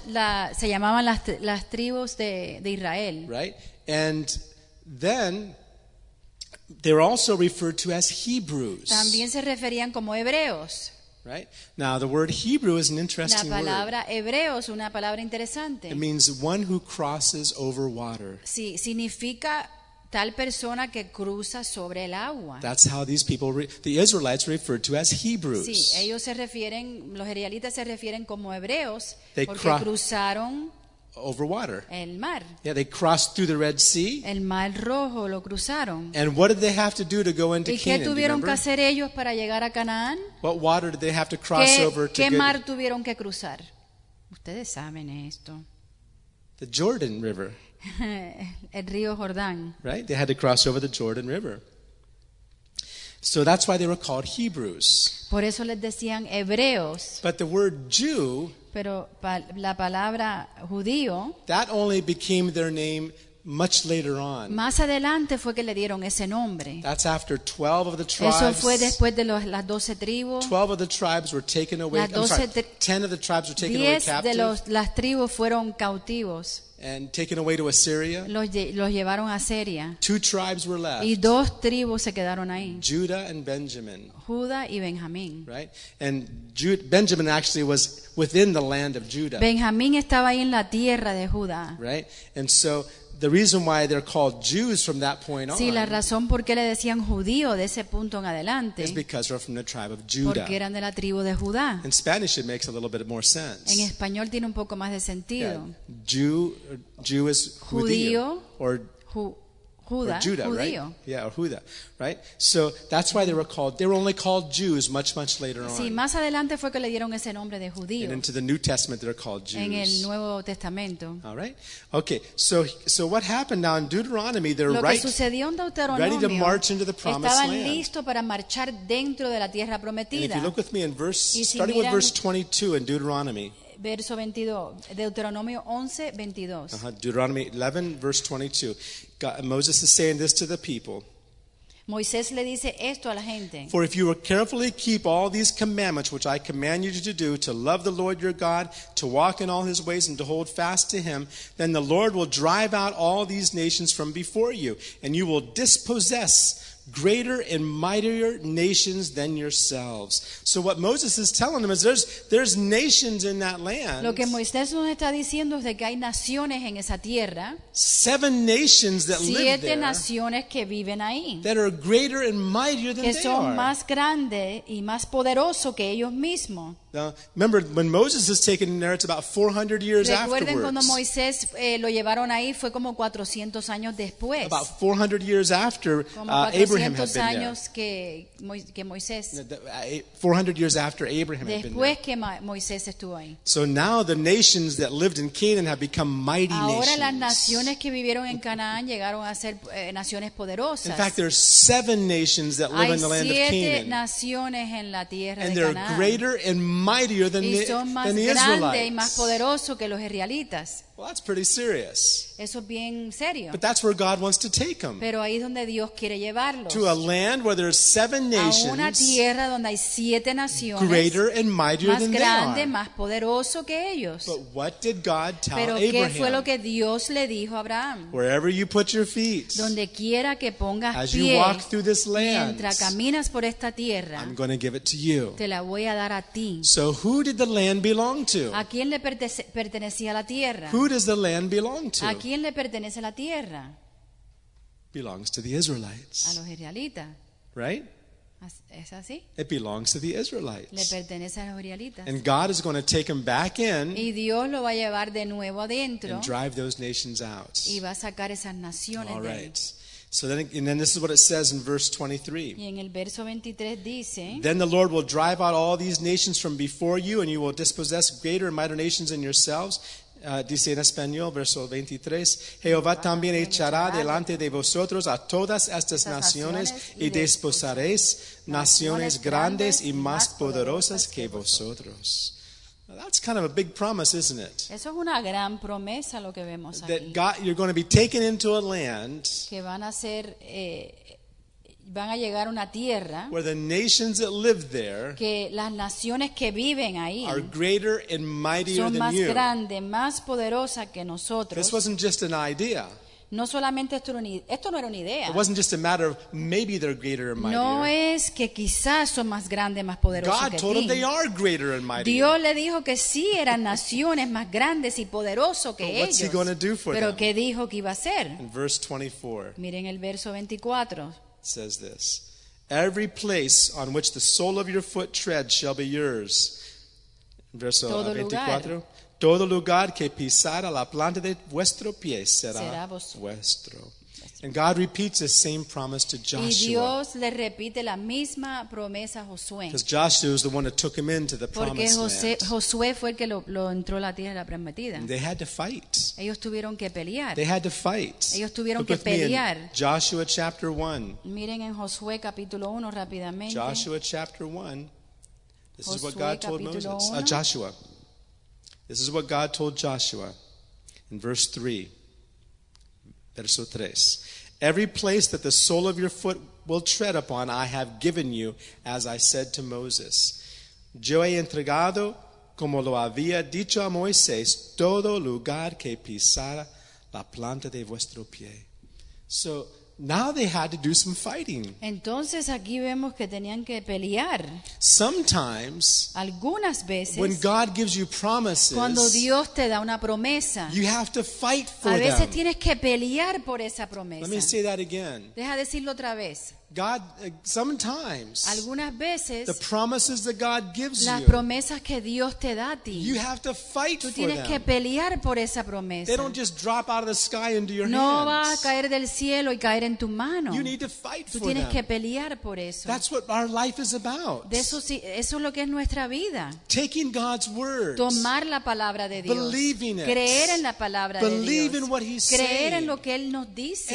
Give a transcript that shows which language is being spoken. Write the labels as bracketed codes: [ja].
[es] Eran se llamaban las tribus de Israel. [en] Right? And then they're also referred to as Hebrews. [es] También se referían como hebreos. [en] Right? Now the word Hebrew is an interesting word. [es] La palabra hebreo es una palabra interesante. [en] It means one who crosses over water. [es] Sí, significa tal persona que cruza sobre el agua. [en] That's how these people the Israelites referred to as Hebrews. [es] Sí, ellos se refieren los israelitas se refieren como hebreos [en] they [es] porque cruzaron [en] over water. [es] El mar. [en] Yeah, they crossed through the Red Sea. [es] El mar rojo lo cruzaron. [en] And what did they have to do to go into [es] ¿y qué [en] Canaan? [es] Tuvieron que hacer ellos para llegar a Canaán? [en] What water did they have to cross over to [es] ¿qué mar tuvieron que cruzar? Ustedes saben esto. [en] The Jordan River. [es] el río Jordán. [en] Right? They had to cross over the Jordan River. So that's why they were called Hebrews. [es] Por eso les decían hebreos. [en] But the word Jew, [es] pero la palabra judío, [en] that only became their name much later on. [es] Más adelante fue que le dieron ese nombre. [en] That's after 12 of the tribes. [es] Eso fue después de las 12 tribus. [en] 12 of the tribes were taken away. Ten of the tribes were taken away captive. [es] 10 de las tribus fueron cautivos. [en] And taken away to Assyria. [es] Los llevaron a Asiria. [en] Two tribes were left. [es] Y dos tribus se quedaron ahí. [en] Judah and Benjamin. [es] Judá y Benjamín. [en] Right? And Benjamin actually was within the land of Judah. [es] Benjamín estaba ahí en la tierra de Judá. [en] Right? And so the reason why they're called Jews from that point on. [es] Sí, la razón por qué le decían judío de ese punto en adelante. [en] Is because they're from the tribe of Judah. [es] Porque eran de la tribu de Judá. [en] In Spanish, it makes a little bit more sense. [es] En español tiene un poco más de sentido. [en] Jew is [es] judío. [en] Judá, or Judah, [es] judío. [en] Right? Yeah, or Judah, right? So that's why they were called. They were only called Jews much, much later on. [es] Sí, más adelante fue que le dieron ese nombre de judío. [en] And into the New Testament, they're called Jews. [es] En el Nuevo Testamento. [en] All right. Okay. So what happened now in Deuteronomy? They're [es] lo que sucedió en Deuteronomio, [en] ready to march into the promised [es] estaban [en] land. [es] Estaban listos para marchar dentro de la tierra prometida. [en] And if you look with me in verse, [es] si [en] starting with verse 22 in Deuteronomy. [es] Verso 22, Deuteronomio 11, 22. [en] Deuteronomy 11, verse 22. Moses is saying this to the people. [es] Moisés le dice esto a la gente. [en] For if you will carefully keep all these commandments which I command you to do, to love the Lord your God, to walk in all his ways, and to hold fast to him, then the Lord will drive out all these nations from before you, and you will dispossess greater and mightier nations than yourselves. So what Moses is telling them is there's nations in that land. [es] Lo que Moisés nos está diciendo es de que hay naciones en esa tierra. [en] Seven nations that live there. [es] Siete naciones que viven ahí. [en] That are greater and mightier than they are. [es] Que son más grandes y más poderosos que ellos mismos. [en] Now, remember, when Moses is taken there, it's about 400 years [es] recuerden Recuerden cuando Moisés lo llevaron ahí, fue como 400 años después. [en] About 400 years after Abraham had been [es] años [en] there. [es] Que Moisés. [en] 400 years after Abraham [es] después [en] had been there. [es] Que Moisés estuvo ahí. [en] So now the nations that lived in Canaan have become mighty [es] ahora [en] nations. [es] Ahora las naciones que vivieron en Canaán llegaron a ser naciones poderosas. [en] In fact, there are seven nations that live [es] hay [en] in the land of Canaan. [es] Hay siete naciones en la tierra [en] and [es] de Canaán. [en] And they're greater and mightier than the Israelites. [es] Y son más grandes y más poderosos que los israelitas. [en] Well, that's pretty serious. [es] Eso es bien serio. [en] But that's where God wants to take them. [es] Pero ahí es donde Dios quiere llevarlos. [en] To a land where there are seven nations. [es] A una tierra donde hay siete naciones. [en] Greater and mightier than they are. [es] Más grande, más poderoso que ellos. [en] But what did God tell [es] Pero [en] Abraham? [es] Pero qué fue lo que Dios le dijo a Abraham? [en] Wherever you put your feet. [es] Donde quiera que pongas pie. [en] As you walk through this land. [es] Mientras caminas por esta tierra. [en] I'm going to give it to you. [es] Te la voy a dar a ti. [en] So who did the land belong to? [es] ¿A quién le pertenecía la tierra? [en] Who does the land belong to? [es] ¿A quién le pertenece la tierra? [en] Belongs to the Israelites. [es] A los israelitas. [en] Right? [es] ¿Es así? [en] It belongs to the Israelites. [es] Le pertenece a los israelitas. [en] And God is going to take them back in. [es] Y Dios lo va a llevar de nuevo adentro. [en] And drive those nations out. [es] Y va a sacar esas naciones. [en] All right. So then, and then this is what it says in verse 23. [es] Y en el verso 23 dice, [en] then the Lord will drive out all these nations from before you, and you will dispossess greater and mightier nations than yourselves. [es] Dice en español, verso 23, Jehová también echará delante de vosotros a todas estas naciones y desposaréis naciones grandes y más poderosas que vosotros. [en] That's kind of a big promise, isn't it? [es] Eso es una gran promesa lo que vemos aquí. [en] That God, you're going to be taken into a land. [es] Que van a ser, van a llegar a una tierra. [en] Where the nations that live there. [es] Que las naciones que viven ahí. [en] Are greater and mightier [es] son [en] than [es] más [en] you. [es] Grande, más poderosa que nosotros. [en] This wasn't just an idea. [es] No solamente esto no era una idea. [en] It wasn't just a matter of maybe they're greater and mightier. [es] No es que quizás son más grandes, más poderosos [en] God [es] que [en] told them they are greater and mightier. [es] Dios le dijo que sí eran naciones más grandes y poderosos que [en] what's [es] ellos. [en] He going to do for [es] pero [en] them? [es] ¿Qué dijo que iba a hacer? [en] In verse 24. [es] Miren el verso 24. [en] It says this. Every place on which the sole of your foot treads shall be yours. [es] Verso 24. Todo lugar que pisara la planta de vuestro pie será vuestro. [en] And God repeats the same promise to Joshua. [es] Y Dios le repite la misma promesa a Josué. [en] Because Joshua was the one that took him into the [es] Porque [en] promised land. [es] Josué fue el que lo entró a la tierra prometida. [en] And they had to fight. [es] Ellos tuvieron que pelear. [en] They had to fight. [es] Ellos tuvieron que pelear. [en] Joshua chapter 1. [es] Miren en Josué capítulo 1 rápidamente. [en] Joshua chapter 1. This [es] Josué [en] is what God told Moses. Joshua. This is what God told Joshua in verse 3. [es] Verso 3. [en] Every place that the sole of your foot will tread upon, I have given you, as I said to Moses. [es] Yo he entregado, como lo había dicho a Moisés, todo lugar que pisara la planta de vuestro pie. [en] So now they had to do some fighting. [es] Entonces aquí vemos que tenían que pelear. [en] Sometimes, [es] algunas veces, [en] when God gives you promises, [es] cuando Dios te da una promesa, [en] you have to fight for them. [es] A veces [en] them. [es] Tienes que pelear por esa promesa. [en] Let me say that again. [es] Deja decirlo otra vez. [en] God, sometimes, [es] algunas veces, [en] the promises that God gives [es] las [en] you, [es] promesas que Dios te da a ti, [en] you have to fight [es] tú tienes [en] for them. [es] Pelear por esa promesa. [en] They don't just drop out of the sky into your [es] no [en] hands. [es] Va a caer del cielo y caer en tu mano. [en] You need to fight [es] tú [en] for [es] tienes [en] them. [es] Que pelear por eso. [en] That's what our life is about. [es] De eso, sí, eso es lo que es nuestra vida. [en] Taking God's words, [es] tomar la palabra de Dios, [en] believing it, [es] creer en la palabra [en] believe [es] de Dios, [en] in what he's [es] creer [en] saying, [es] en lo que Él nos dice,